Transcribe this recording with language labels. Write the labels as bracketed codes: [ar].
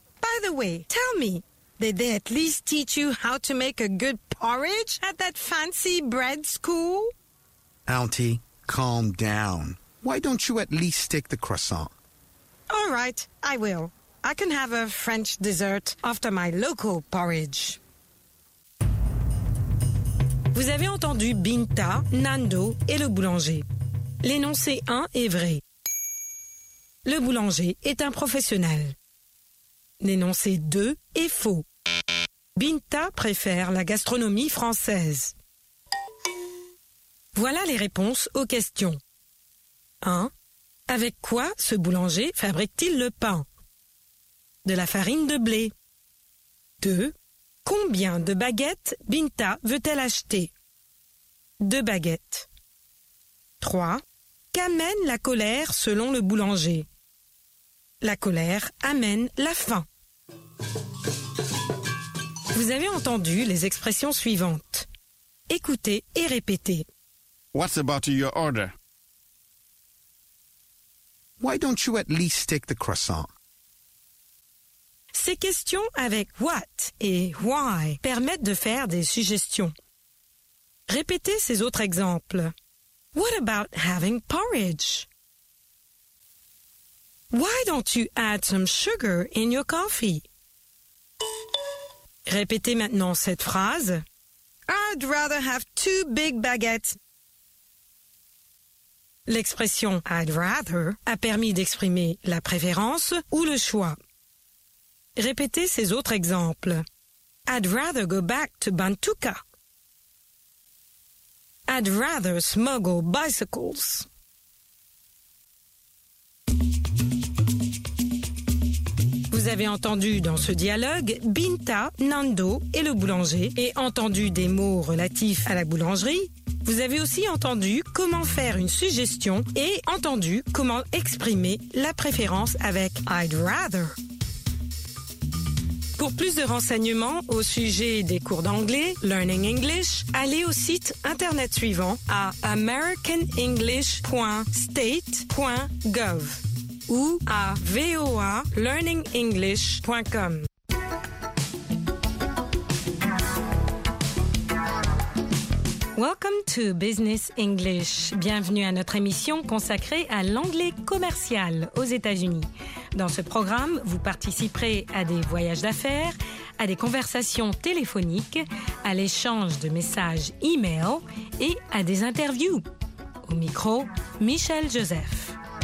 [en] By the way, tell me, did they at least teach you how to make a good porridge at that fancy bread school? Auntie, calm down. Why don't you at least take the croissant? All right, I will. I can have a French dessert after my local porridge. [fr] Vous avez entendu Binta, Nando et le boulanger. L'énoncé 1 est vrai. Le boulanger est un professionnel. L'énoncé 2 est faux. Binta préfère la gastronomie française. Voilà les réponses aux questions. 1. Avec quoi ce boulanger fabrique-t-il le pain? De la farine de blé. 2. Combien de baguettes Binta veut-elle acheter? 2 baguettes. 3. Qu'amène la colère selon le boulanger? La colère amène la faim. Vous avez entendu les expressions suivantes. Écoutez et répétez. [en] What's about your order? Why don't you at least take the croissant? [fr] Ces questions avec what et why permettent de faire des suggestions. Répétez ces autres exemples. [en] What about having porridge? Why don't you add some sugar in your coffee? [fr] Répétez maintenant cette phrase. [en] I'd rather have 2 big baguettes. [fr] L'expression I'd rather a permis d'exprimer la préférence ou le choix. Répétez ces autres exemples. [en] I'd rather go back to Bantuka. I'd rather smuggle bicycles. [fr] Vous vous avez entendu dans ce dialogue, Binta, Nando et le boulanger, et entendu des mots relatifs à la boulangerie, vous avez aussi entendu comment faire une suggestion et entendu comment exprimer la préférence avec « I'd rather ». Pour plus de renseignements au sujet des cours d'anglais, Learning English, allez au site internet suivant à americanenglish.state.gov ou à voalearningenglish.com. [en] Welcome to Business English. [fr] Bienvenue à notre émission consacrée à l'anglais commercial aux États-Unis. Dans ce programme, vous participerez à des voyages d'affaires, à des conversations téléphoniques, à l'échange de messages e-mail et à des interviews. Au micro, Michel Joseph.